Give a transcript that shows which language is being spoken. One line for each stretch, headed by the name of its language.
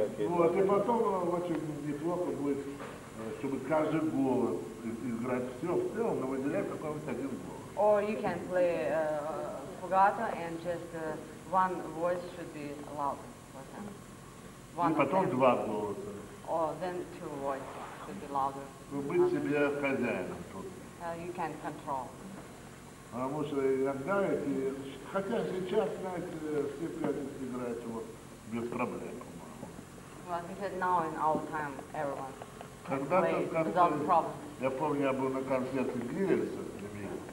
Russian: Вот, и потом очень неплохо будет, чтобы каждый голос играть все в целом, но выделять какой-нибудь один голос.
English: Or you can play fugato and just one voice should be loud for them.
Russian: И потом два голоса.
English: Or then two voices should be louder.
Russian: Вы будете себе хозяином тут.
English: You can control.
Russian: Потому что иногда эти... Хотя сейчас, знаете, все пианисты играют вот без проблем, по-моему.
English: Well, because now in our time everyone can play without problems.
Russian: Я помню, я был на концерте Гиллеса, например.